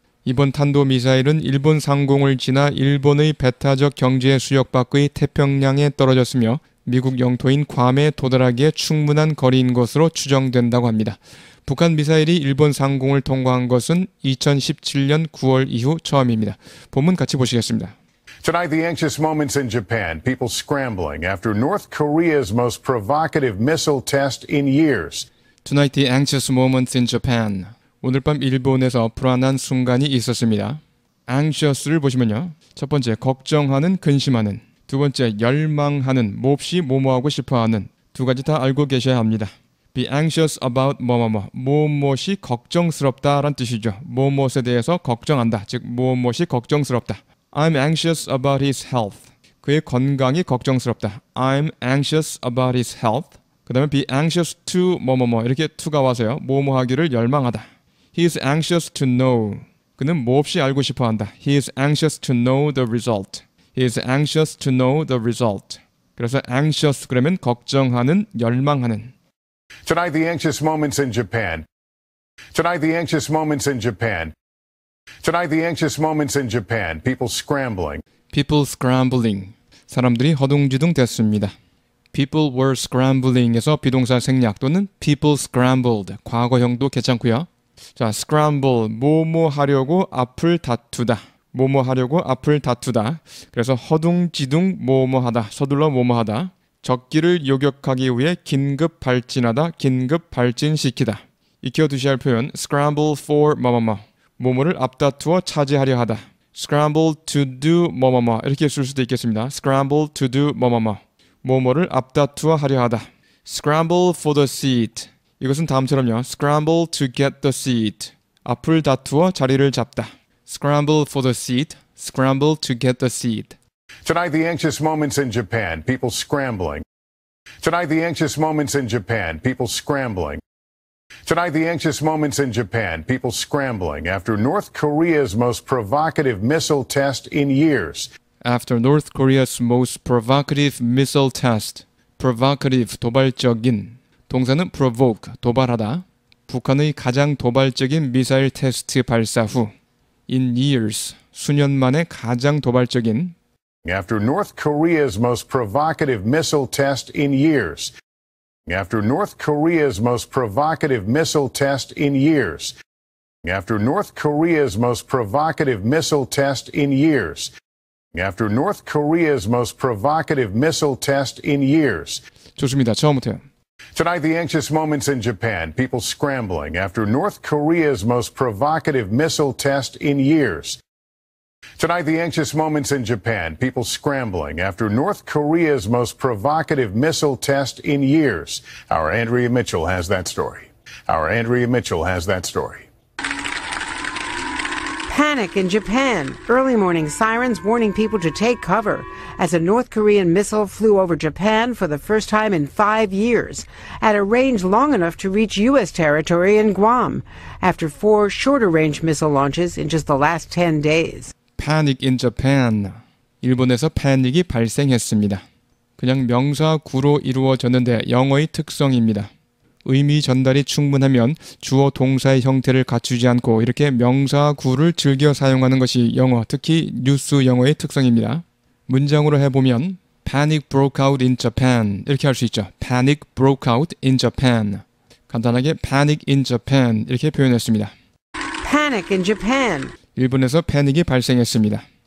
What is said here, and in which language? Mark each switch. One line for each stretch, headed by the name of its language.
Korean: 이번 탄도미사일은 일본 상공을 지나 일본의 배타적 경제 수역 밖의 태평양에 떨어졌으며 미국 영토인 괌에 도달하기에 충분한 거리인 것으로 추정된다고 합니다. 북한 미사일이 일본 상공을 통과한 것은 2017년 9월 이후 처음입니다. 본문 같이 보시겠습니다.
English: Tonight, the anxious moments in Japan. People scrambling after North Korea's most provocative missile test in years. Tonight, the anxious moments in Japan.
Korean: 오늘 밤 일본에서 불안한 순간이 있었습니다. Anxious를 보시면요. 첫 번째, 걱정하는, 근심하는. 두 번째, 열망하는, 몹시 뭐뭐하고 싶어하는. 두 가지 다 알고 계셔야 합니다.
English: Be anxious about 뭐뭐뭐.
Korean: 뭐뭐시 걱정스럽다란 뜻이죠. 뭐뭐에 대해서 걱정한다. 즉, 뭐뭐시 걱정스럽다.
English: I'm anxious about his health.
Korean: 그의 건강이 걱정스럽다.
English: I'm anxious about his health.
Korean: 그 다음에
English: be anxious to
Korean: 뭐뭐뭐. 이렇게 to가 와서요. 뭐뭐하기를 열망하다.
English: He is anxious to know.
Korean: 그는 몹시 알고 싶어한다.
English: He is anxious to know the result. He is anxious to know the result.
Korean: 그래서 anxious 그러면 걱정하는, 열망하는.
English: Tonight the anxious moments in Japan. Tonight the anxious moments in Japan. Tonight the anxious moments in Japan. People scrambling. People scrambling.
Korean: 사람들이 허둥지둥 됐습니다.
English: People were scrambling에서
Korean: 비동사 생략 또는
English: people scrambled.
Korean: 과거형도 괜찮고요. 자, scramble. 뭐뭐 하려고 앞을 다투다. 뭐뭐 하려고 앞을 다투다. 그래서 허둥지둥 뭐뭐 하다. 서둘러 뭐뭐 하다. 적기를 요격하기 위해 긴급 발진하다. 긴급 발진시키다. 익혀두셔야 할 표현.
English: scramble for 뭐뭐뭐.
Korean: 뭐뭐를 앞다투어 차지하려 하다.
English: scramble to do 뭐뭐뭐.
Korean: 이렇게 쓸 수도 있겠습니다.
English: scramble to do 뭐뭐뭐.
Korean: 뭐뭐를 앞다투어 하려 하다.
English: scramble for the seat.
Korean: 이것은 다음처럼요.
English: scramble to get the seat.
Korean: 앞을 다투어 자리를 잡다.
English: scramble for the seat. scramble to get the seat. Tonight the anxious moments in Japan. People scrambling. Tonight the anxious moments in Japan. People scrambling. Tonight the anxious moments in Japan. People scrambling after North Korea's most provocative missile test in years. After North Korea's most provocative missile test.
Korean: Provocative, 도발적인. 동사는 provoke, 도발하다. 북한의 가장 도발적인 미사일 테스트 발사 후.
English: In years,
Korean: 수년 만에 가장 도발적인.
English: After North Korea's most provocative missile test in years. After North Korea's most provocative missile test in years. After North Korea's most provocative missile test in years. After North Korea's most provocative missile test in years.
Korean: 좋습니다. 처음부터요.
English: Tonight the anxious moments in Japan. People scrambling after North Korea's most provocative missile test in years. Tonight the anxious moments in Japan. People scrambling after North Korea's most provocative missile test in years. Our Andrea Mitchell has that story. Our Andrea Mitchell has that story. Panic in Japan. Early morning sirens warning people to take cover as a North Korean missile flew over Japan for the first time in 5 years at a range long enough to reach U.S. territory in Guam after 4 shorter range missile launches in just the last 10 days. Panic in Japan.
Korean: 일본에서 패닉이 발생했습니다. 그냥 명사구로 이루어졌는데 영어의 특성입니다. 의미 전달이 충분하면 주어 동사의 형태를 갖추지 않고 이렇게 명사구를 즐겨 사용하는 것이 영어, 특히 뉴스 영어의 특성입니다. 문장으로 해보면
English: Panic broke out in Japan.
Korean: 이렇게 할 수 있죠.
English: Panic broke out in Japan.
Korean: 간단하게
English: Panic in Japan
Korean: 이렇게 표현했습니다.
English: Panic in Japan.
Korean: 일본에서 패닉이 발생했습니다.